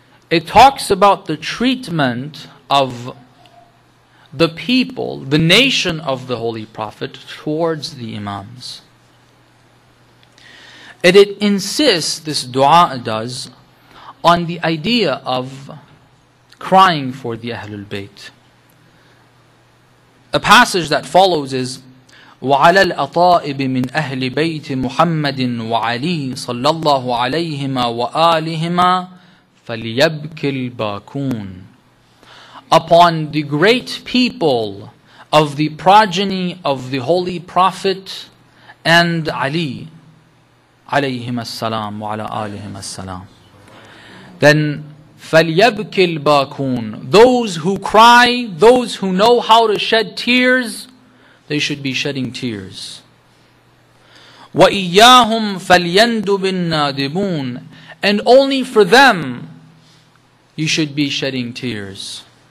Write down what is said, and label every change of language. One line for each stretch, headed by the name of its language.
English: It talks about the treatment of the people, the nation of the Holy Prophet, towards the imams. And it insists, this dua does, on the idea of crying for the Ahlul Bayt. A passage that follows is,
Arabic: وَعَلَى الْأَطَائِبِ مِنْ أَهْلِ بَيْتِ مُحَمَّدٍ وَعَلِيٍ صَلَّى اللَّهُ عَلَيْهِمَا وَآلِهِمَا فَلْيَبْكِ الْبَاكُونَ.
English: Upon the great people of the progeny of the Holy Prophet and Ali,
Arabic: عليهم السلام وعلى آلهم السلام.
English: Then,
Arabic: فَلْيَبْكِ الْبَاكُونَ.
English: Those who cry, those who know how to shed tears, they should be shedding tears.
Arabic: وَإِيَّاهُمْ فَلْيَنْدُبِ النَّادِبُونَ.
English: And only for them, you should be shedding tears.